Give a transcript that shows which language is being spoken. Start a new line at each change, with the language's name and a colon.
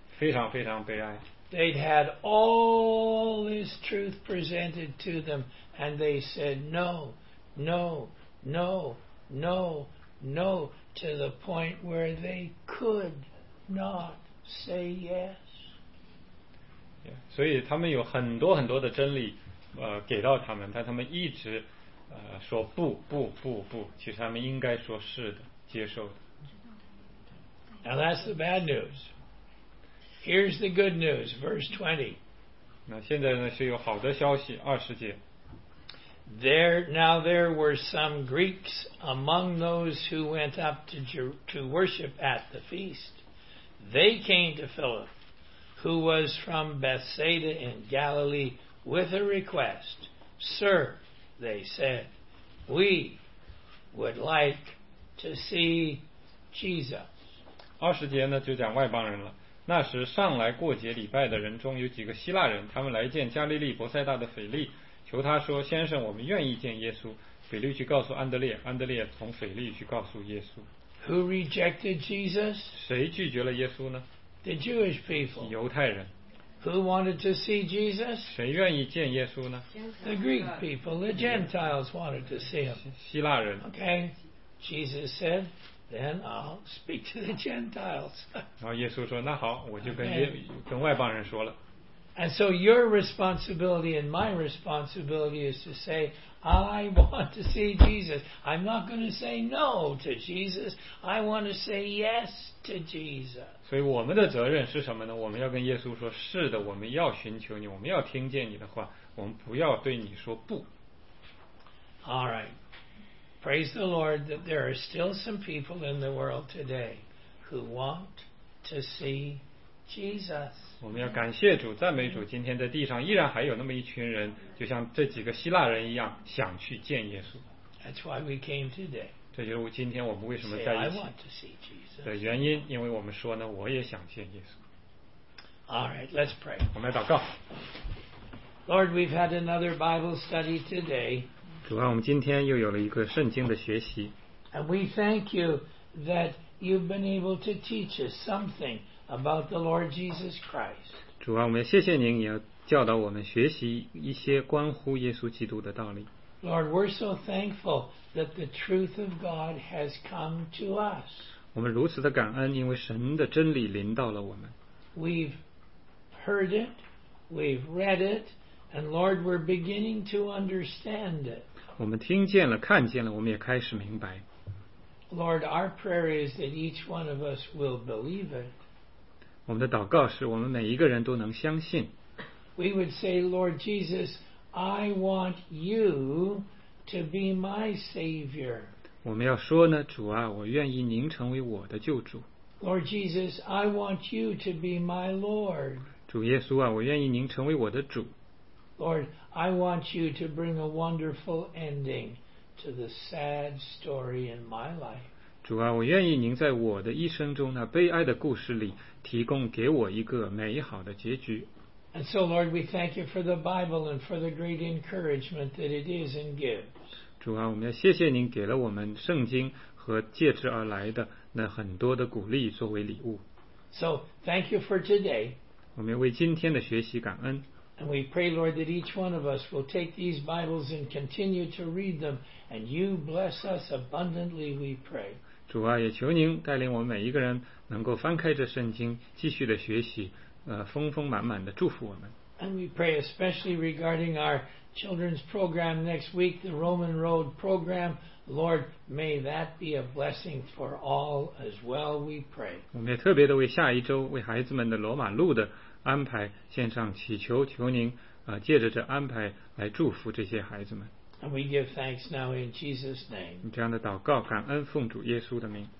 Chinese: 非常非常悲哀。
English: They'd had all this truth presented to them, and they said no, no, no, no, no, to the point where they could not say yes.
Chinese: Yeah, 所以他们有很多很多的真理，给到他们，但他们一直，说不不不不，其实他们应该说是的，接受的。
English: Now that's the bad news. Here's the good news, verse 20.
Chinese: 那现在呢是有好的消息，二十节。
English: Now there were some Greeks among those who went up to worship at the feast. They came to Philip, who was from Bethsaida in Galilee, with a request. Sir, they said, we would like to see Jesus.
Chinese: 二十节呢就讲外邦人了。那时上来过节礼拜的人中有几个希腊人，他们来见加利利伯塞大的腓力，求他说，先生，我们愿意见耶稣。腓力去告诉安德烈，安德烈从腓力去告诉耶稣。
English: Who rejected Jesus?
Chinese: 谁拒绝了耶稣呢？
English: The Jewish people.
Chinese: 犹太人。
English: Who wanted to see Jesus?
Chinese: 谁愿意见耶稣呢？
English: The Greek people, the Gentiles wanted to see him.
Chinese: 希腊人。
English: Okay, Jesus said, then I'll speak to the Gentiles.
Chinese: 然后耶稣说，那好，我就跟外邦人说了。
English: And so your responsibility and my responsibility is to say, I want to see Jesus. I'm not going to say no to Jesus. I want to say yes to Jesus.
Chinese: 所以我们的责任是什么呢？我们要跟耶稣说，是的，我们要寻求你，我们要听见你的话，我们不要对你说不。
English: All right. Praise the Lord that there are still some people in the world today who want to see Jesus.
Chinese: 我们要感谢主，赞美主，今天在地上依然还有那么一群人，就像这几个希腊人一样，想去见耶稣。
English: That's why we came today.
Chinese: 这就是今天我们为什么在一起。
English: Say, I want to see Jesus.
Chinese: 的原因，因为我们说呢，我也想见耶稣。
English: All right, let's pray.
Chinese: 我们来祷告。
English: Lord, we've had another Bible study today.
Chinese: 主啊，我们今天又有了一个圣经的学习。
English: And we thank you that you've been able to teach us something. About the Lord Jesus Christ.
Chinese: 主啊，我们谢谢您，也教导我们学习一些关乎耶稣基督的道理。
English: Lord, we're so thankful that the truth of God has come to us.
Chinese: 我们如此的感恩，因为神的真理临到了我们。
English: We've heard it, we've read it, and Lord, we're beginning to understand it.
Chinese: 我们听见了，看见了，我们也开始明白。
English: Lord, our prayer is that each one of us will believe it.
Chinese: 我们的祷告是我们每一个人都能相信。
English: We would say, Lord Jesus, I want you to be my Savior.
Chinese: 我们要说呢，主啊，我愿意您成为我的救主。
English: Lord Jesus, I want you to be my Lord.
Chinese: 主耶稣啊，我愿意您成为我的主。
English: Lord, I want you to bring a wonderful ending to the sad story in my life.
Chinese: 主啊，我愿意您在我的一生中那悲哀的故事里提供给我一个美好的结局。
English: And so, Lord, we thank you for the Bible and for the great encouragement that it is and gives.
Chinese: 主啊，我们要谢谢您给了我们圣经和借之而来的那很多的鼓励作为礼物。
English: So, thank you for today.
Chinese: 我们为今天的学习感恩。
English: And we pray, Lord, that each one of us will take these Bibles and continue to read them. And you bless us abundantly, we pray.
Chinese: 主啊，也求您带领我们每一个人能够翻开这圣经，继续的学习，丰丰满满的祝福我们。
English: And we pray especially regarding our children's program next week, the Roman Road program. Lord, may that be a blessing for all as well, we pray.
Chinese: 我们也特别的为下一周为孩子们的罗马路的安排献上祈求，求您借着这安排来祝福这些孩子们。
English: And we give thanks now in Jesus' name.
Chinese: 这样的祷告，感恩奉主耶稣的名。